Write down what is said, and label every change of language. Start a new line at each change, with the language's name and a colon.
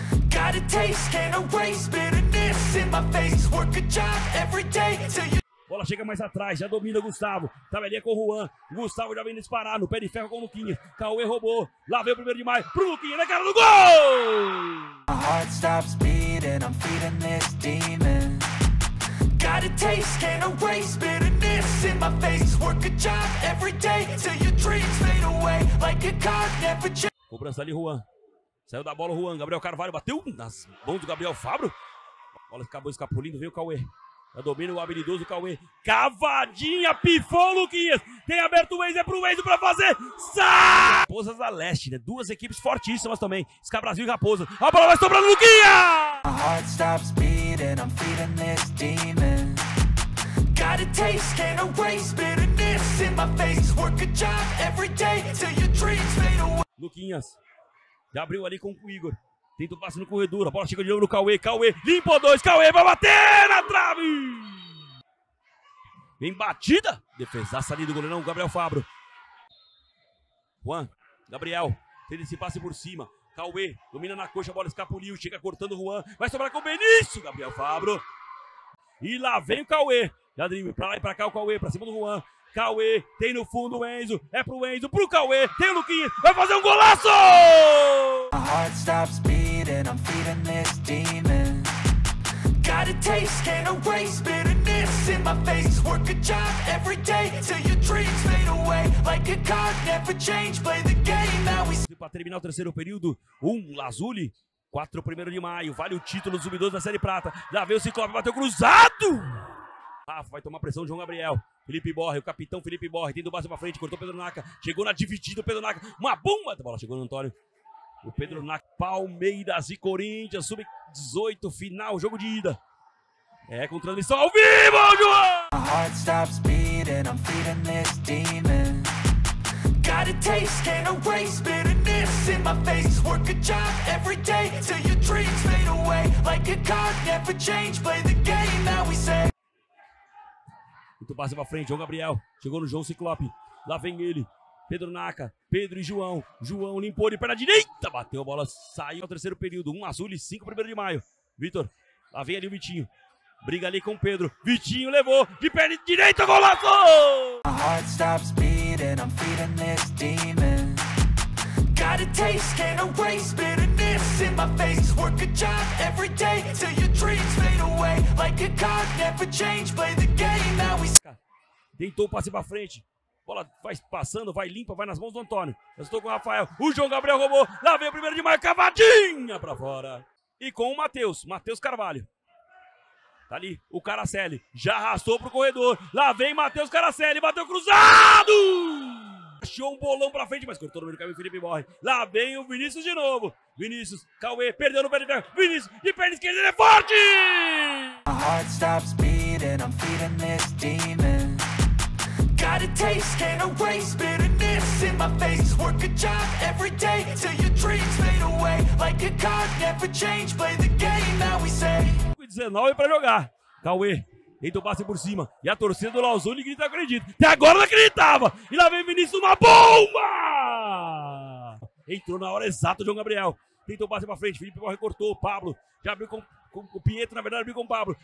English: Got a taste, can't erase bitterness in my face. Work a job every day till you...
Portuguese: Bola chega mais atrás, já domina o Gustavo. Tava ali com o Juan. Gustavo já vem disparar no pé de ferro com o Luquinha. Cauê roubou. Lá vem o primeiro de maio pro Luquinha, na cara do gol!
English: My heart stops beating, I'm feeding this demon. Got a taste, can't erase bitterness in my face. Work a job every day till your dreams fade away. Like a card never changed.
Portuguese: Cobrança ali, Juan. Saiu da bola, Juan. Gabriel Carvalho bateu nas mãos do Gabriel Fabro. A bola acabou escapulindo, veio o Cauê. Já domina o habilidoso Cauê. Cavadinha, pifou o Luquinhas. Tem aberto o Waze, é pro Waze pra fazer. Sai! Raposas da Leste, né? Duas equipes fortíssimas também. Sca Brasil e Raposa. A bola vai sobrando o Luquinhas!
English: My heart stops beating, I'm feeding this demon. Got a taste, can't erase bitterness in my face. Work a job every day till your dreams fade away.
Portuguese: Luquinhas, já abriu ali com o Igor. Tenta o passe no corredor, a bola chega de novo no Cauê, Cauê, limpa dois, Cauê vai bater na trave! Vem batida, defesaça ali do goleirão, Gabriel Fabro. Juan, Gabriel, tenta esse passe por cima, Cauê, domina na coxa, a bola escapuliu, chega cortando o Juan, vai sobrar com o Benício, Gabriel Fabro. E lá vem o Cauê, já drible pra lá e pra cá o Cauê, pra cima do Juan. Cauê, tem no fundo o Enzo, é pro Enzo, pro Cauê, tem o Luquinhas, vai fazer um golaço!
English: My heart stops beating, I'm feeding this demon. Got a taste, can't erase bitterness in my face. Work a job every day till your dreams fade away. Like a card, never change, play the game now we...
Portuguese: Pra terminar o terceiro período, Lazuli, 4 primeiro de maio, vale o título do Sub-12 da Série Prata. Já veio o Ciclope, bateu cruzado! Rafa vai tomar pressão de João Gabriel. Felipe Borre, o capitão Felipe Borre, tendo o passe pra frente, cortou Pedro Naka, chegou na dividida Pedro Naka, uma bomba da bola, chegou no Antônio. O Pedro Naka, Palmeiras e Corinthians, sub-18, final, jogo de ida. É, com transmissão ao vivo, João!
English: My heart stops beating, I'm feeding this demon. Got a taste, can't erase bitterness in my face. Work a job every day till your dreams fade away. Like a card, never change, play the game that we say.
Portuguese: Muito passe pra frente, João Gabriel, chegou no João Ciclope, lá vem ele, Pedro Naka, Pedro e João, João limpou de perna direita, bateu a bola, saiu ao terceiro período, 1-0 e 5 primeiro de maio, Vitor, lá vem ali o Vitinho, briga ali com o Pedro, Vitinho levou, de perna direita, golaço!
English: My heart stops beating, I'm feeding this demon. Got a taste, can't erase bitterness in my face. Work a job every day till your dreams fade away. Like a card, never change, play the game now we...
Portuguese: Tentou o passe pra frente. Bola vai passando, vai limpa, vai nas mãos do Antônio. Eu estou com o Rafael. O João Gabriel roubou. Lá vem o primeiro de maio, cavadinha pra fora. E com o Matheus, Matheus Carvalho. Tá ali o Caracelli. Já arrastou pro corredor. Lá vem Matheus Caracelli, bateu cruzado! Achou um bolão pra frente, mas cortou no meio do caminho, Felipe morre. Lá vem o Vinícius de novo. Vinícius, Cauê, perdeu no pé de ferro. Vinícius, de perna esquerda, ele é forte!
English: My heart stops beating, I'm feeding this demon. Got a taste, can't erase bitterness in my face. Work a job every day till your dreams fade away. Like a card, never change, play the game, now we say.
Portuguese: 19 pra jogar. Cauê. Tenta o passe por cima. E a torcida do Lauzoni grita, acredito. Até agora não acreditava. E lá vem Vinícius, uma bomba! Entrou na hora exata o João Gabriel. Tenta o passe pra frente. Felipe recortou. Pablo já abriu com o Pinheta, na verdade, abriu com o Pablo.